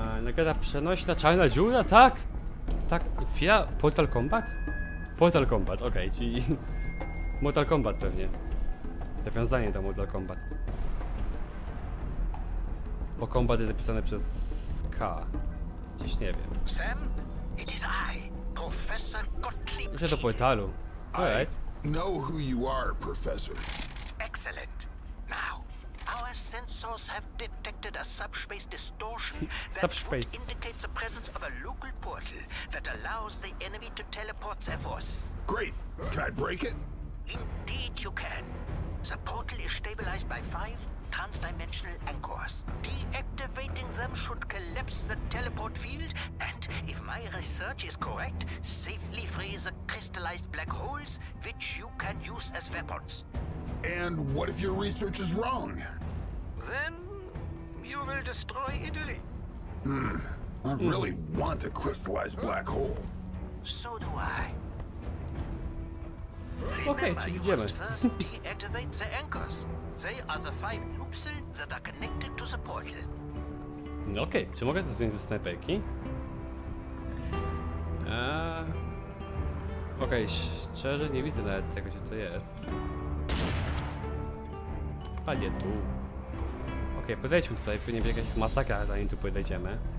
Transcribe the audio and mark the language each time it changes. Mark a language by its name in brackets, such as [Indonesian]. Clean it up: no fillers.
[Polish] Nagrada przenośna, czarna dziura, tak? Tak, chwila, Portal Kombat? Portal Kombat, okej, okay, czyli Mortal Kombat pewnie. Nawiązanie do Mortal Kombat. Bo kombat jest zapisany przez K. Gdzieś nie wiem. Sam? [English] It is I, Professor Gottlieb. [Polish] Już do portalu. [English] Alright. Know who you are, Professor. Excellent. Now, our sensors have detected a subspace distortion that indicates the presence of a local portal that allows the enemy to teleport their forces. Great. Can I break it? Indeed you can. The portal is stabilized by 5 transdimensional anchors. Deactivating them should collapse the teleport field and, if my research is correct, safely free the crystallized black holes, which you can use as weapons. And what if your research is wrong? Then you will destroy Italy. I really want a crystallized black hole. So do I. Okay, remember, you must first deactivate the anchors. They are the 5 loops that are connected to the portal. [Polish] No okej, okay. Czy mogę to zrobić ze snapeki? Okej, okay, szczerze nie widzę nawet tego, gdzie to jest. Padnie tu. Okej, okay, podejdźmy tutaj, pewnie w jakichś masakrach, zanim tu podejdziemy.